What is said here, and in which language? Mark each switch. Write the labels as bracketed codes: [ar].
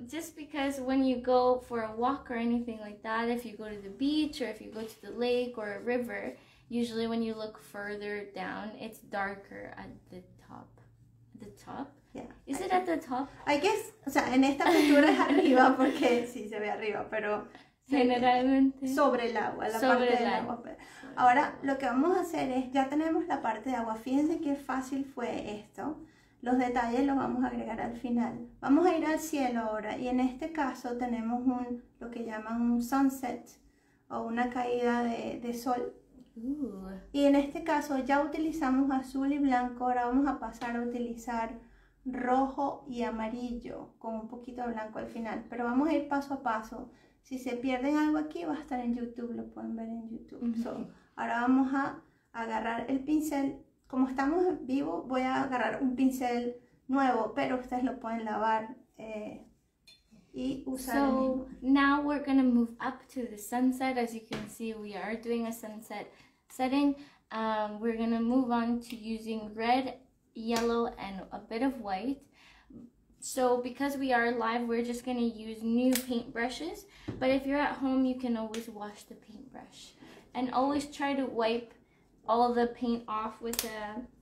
[en] just because when you go for a walk or anything like that, if you go to the beach or if you go to the lake or a river, usually when you look further down, it's darker at the top, the top. Yeah. Is it at the top? I guess, [es] o sea, en esta pintura es arriba porque sí se ve arriba, pero generalmente sobre el agua, la parte del agua. Ahora lo que vamos a hacer es, ya tenemos la parte de agua. Fíjense qué fácil fue esto. Los detalles los vamos a agregar al final. Vamos a ir al cielo ahora, y en este caso tenemos un, lo que llaman un sunset, o una caída de sol. Ooh. Y en este caso ya utilizamos azul y blanco, ahora vamos a pasar a utilizar rojo y amarillo, con un poquito de blanco al final. Pero vamos a ir paso a paso. Si se pierden algo aquí, va a estar en YouTube, lo pueden ver en YouTube. Mm-hmm. So, ahora vamos a agarrar el pincel. Como estamos vivo, voy a agarrar un pincel nuevo, pero ustedes lo pueden lavar y usar [en] so, [es] el mismo. [en] So now we're gonna move up to the sunset. As you can see, we are doing a sunset setting. We're gonna move on to using red, yellow, and a bit of white. So because we are live, we're just gonna use new paint brushes. But if you're at home, you can always wash the paintbrush and always try to wipe all the paint off with a